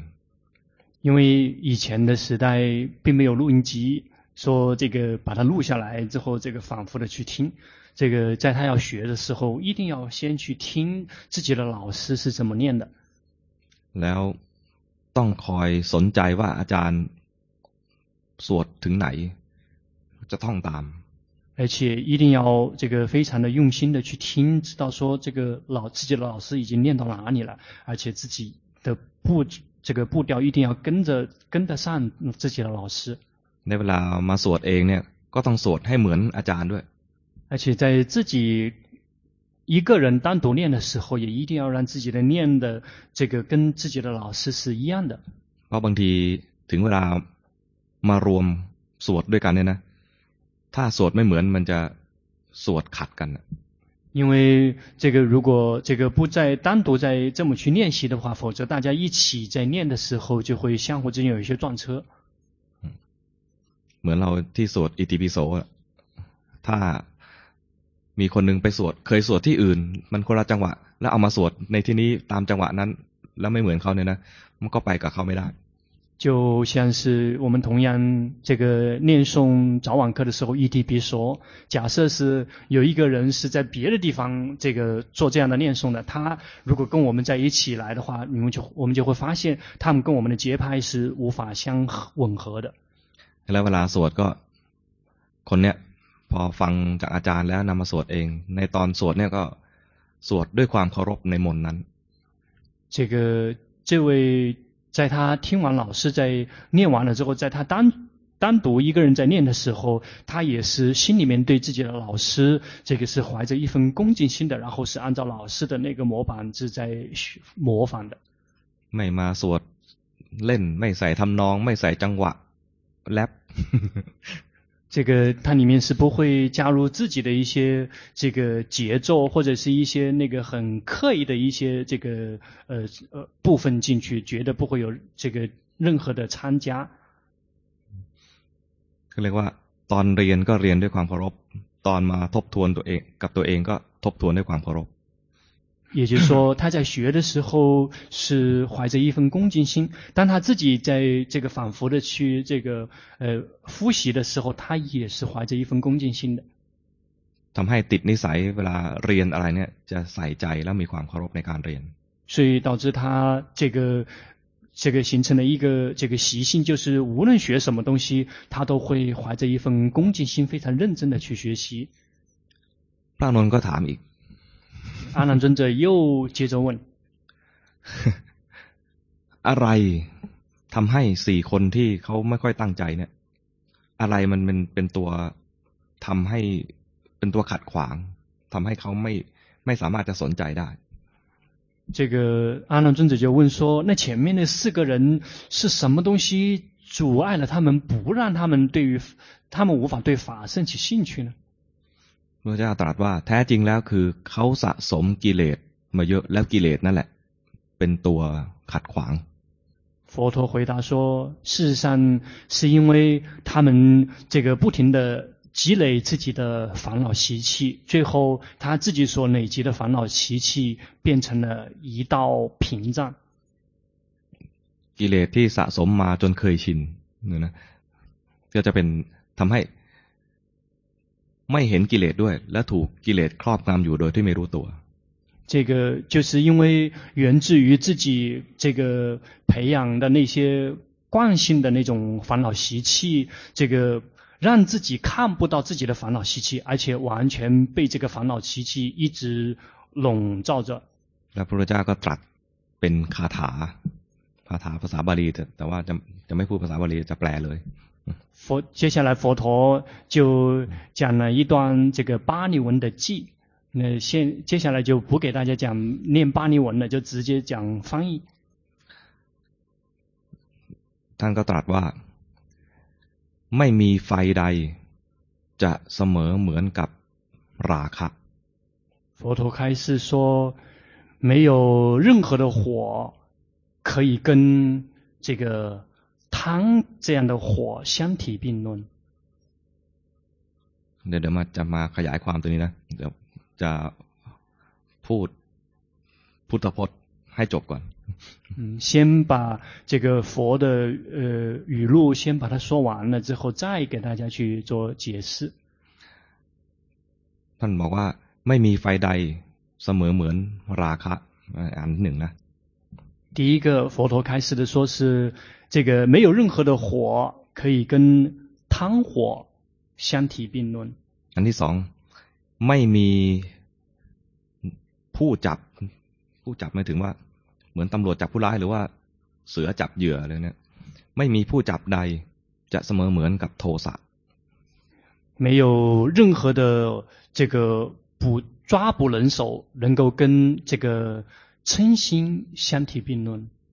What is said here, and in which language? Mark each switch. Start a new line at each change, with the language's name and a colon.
Chinese: 因为以前的时代并没有录音机说这个把它录下来之后这个反复的去听这个在他要学的时候一定要先去听自己的老师是怎么念的
Thai: แล้วต้องคอยสนใจว่าอาจารย์สวดถึงไหนจะท่องตาม
Chinese: 而且一定要这个非常的用心的去听知道说这个老自己的老师已经念到哪里了而且自己的步这个步调一定要跟得上自己的老师
Thai: ในเวลามาสวดเองเนี่ยก็ต้องสวดให้เหมือนอาจารย์ด้วย
Chinese: 而且在自己一个人单独念的时候也一定要让自己的念的这个跟自己的老师是一样的
Thai: เพราะบางทีถึงเวลามารวมสวดด้วยกันเนี่ยนะถ้าสวดไม่เหมือนมันจะสวดขัดกัน เพราะ
Chinese: 这个如果这个不再单独在这么去练习的话否则大家一起在念的时候就会相互之间有一些撞车
Thai: เหมือนเราที่สวดอิติปิโสถ้ามีคนหนึ่งไปสวดเคยสวดที่อื่นมันคนละจังหวะแล้วเอามาสวดในที่นี้ตามจังหวะนั้นแล้วไม่เหมือนเขาเนี่ยนะมันก็ไปกับเขาไม่ได้
Chinese: 就像是我们同样这个念诵早晚课的时候一提比说假设是有一个人是在别的地方这个做这样的念诵的他如果跟我们在一起来的话我们就会发现他们跟我们的节拍是无法相吻合的
Thai: แล้วเวลาสวดก็คนเนี้ยพอฟังจากอาจารย์แล้วนำมาสวดเองในตอนสวดเนี้ยก็สวดด้วยความเคารพในมนต์นั้น
Chinese: 这位在他听完老师在念完了之后在他 单独一个人在念的时候他也是心里面对自己的老师这个是怀着一份恭敬心的然后是按照老师的那个模板是在模仿的
Thai: ไม่มาสวดเล่นไม่ใส่ทำนองไม่ใส่จังหวะแรป
Chinese: 这个它里面是不会加入自己的一些这个节奏或者是一些那个很刻意的一些这个部分进去觉得不会有这个任何的参加
Thai: คือเรียกว่าตอนเรียนก็เรียนด้วยความเคารพตอนมาทบทวนตัวเองกับตัวเองก็ทบทวนด้วยความเคารพ
Chinese: 也就是说他在学的时候是怀着一份恭敬心当他自己在这个反复的去这个复习的时候他也是怀着一份恭敬心的
Thai: ทำให้ติดนิสัยเวลาเรียนอะไรเนี่ยจะใส่ใจและมีความเคารพในการเรียน
Chinese: 所以导致他这个形成了一个这个习性就是无论学什么东西他都会怀着一份恭敬心非常认真的去学习
Thai: พระอนุนก็ถามอีก
Chinese: 阿难尊者又接着问
Thai: อะไรทำให้สี่คนที่เขาไม่ค่อยตั้งใจเนี่ยอะไรมันเป็นตัวทำให้เป็นตัวขัดขวางทำให้เขาไม่สามารถจะสนใจได้
Chinese: 这个阿难尊者就问说那前面那四个人是什么东西阻碍了他们不让他们对于他们无法对法生起兴趣呢
Thai: พระเจ้าตรัสว่าแท้จริงแล้วคือเขาสะสมกิเลสมาเยอะแล้วกิเลสนั่นแหละเป็นตัวขัดขวาง
Chinese: 佛陀回答说事实上是因为他们这个不停的积累自己的烦恼习气最后他自己所累积的烦恼习气变成了一道屏障
Thai: กิเลสที่สะสมมาจนเคยชินนี่นะก็จะเป็นทำให้ไม่เห็นกิเลสด้วยและถูกกิเลสครอบงำอยู่โดยที่ไม่รู้ตัว
Chinese: 这个就是因为源自于自己这个培养的那些惯性的那种烦恼习气这个让自己看不到自己的烦恼习气而且完全被这个烦恼习气一直笼罩着
Thai: และพระพุทธเจ้าก็ตรัสเป็นคาถาภาษาบาลีแต่ว่าจะไม่พูดภาษาบาลีจะแปลเลย
Chinese: 佛接下来佛陀就讲了一段这个巴利文的偈，那先接下来就不给大家讲念巴利文了，就直接讲翻译。
Thai: ท่านก็ตรัสว่าไม่มีไฟใดจะเสมอเหมือนกับราคะ
Chinese: 佛陀开始说没有任何的火可以跟这个贪这样的火相提并论
Thai: เดี๋ยวมาจะมาขยายความตัวนี้นะเดี๋ยวจะพูดพุทธพจน์ให้จบก่อน
Chinese: 先把这个佛的语录先把它说完了之后再给大家去做解释
Thai: ท่านบอกว่าไม่มีไฟใดเสมอเหมือนราคะอันหนึ่งนะ
Chinese: 第一个佛陀开始的说是这个没有任何的火可以跟贪火相提并论
Thai: อันที่สองไม่มีผู้จับผู้จับหมายถึงว่าเหมือนตำรวจจับผู้ร้ายหรือว่าเสือจับเหยื่ออะไรเนี่ยไม่มีผู้จับใดจะเสมอเหมือนกับโทสะ
Chinese: 没有任何的这个捕抓捕人手能够跟这个嗔心相提并论